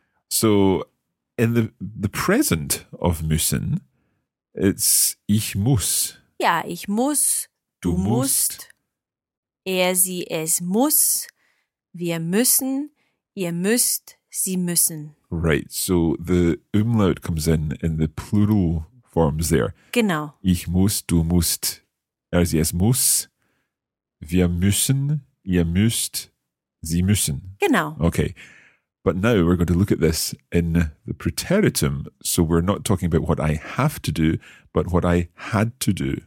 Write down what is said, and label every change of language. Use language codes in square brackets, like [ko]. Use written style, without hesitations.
[en] So in the present of müssen, it's [de] ich muss. Ja, ich muss. Du musst. Er, sie, es muss. Wir müssen. Ihr müsst. Sie müssen. [en] Right. So the umlaut comes in the plural forms there. [de] Genau. Ich muss, du musst, er, sie, es muss. Wir müssen, ihr müsst, sie müssen. Genau. [en] Okay. But now we're going to look at this in the preteritum. So we're not talking about what I have to do, but what I had to do.